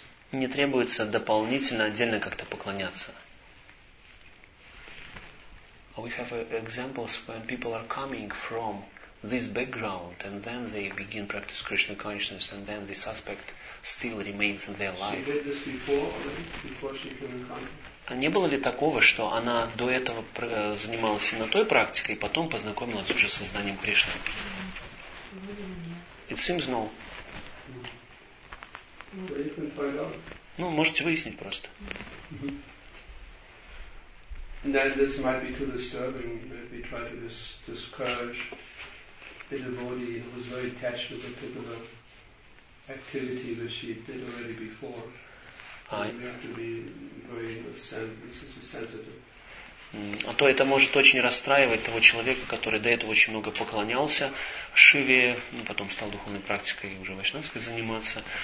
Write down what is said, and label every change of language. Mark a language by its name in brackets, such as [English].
[Russian] Не требуется дополнительно, отдельно как-то поклоняться. [English] We have examples when people are coming from this background and then they begin practice Krishna consciousness and then this aspect still remains in their life. She did this before she came in contact. [Russian] А не было ли такого, что она до этого занималась именно той практикой и потом познакомилась уже с сознанием Кришны? Mm-hmm. [English] It seems no. Mm-hmm. [Russian] Ну, можете выяснить просто. Mm-hmm. [English] And then this might be too disturbing if we try to discourage the devotee who was very attached to a particular activity that she did already before. We have to be very sensitive. [Russian] А то это может очень расстраивать того человека, который до этого очень много поклонялся Шиве, ну, потом стал духовной практикой уже вайшнавской заниматься.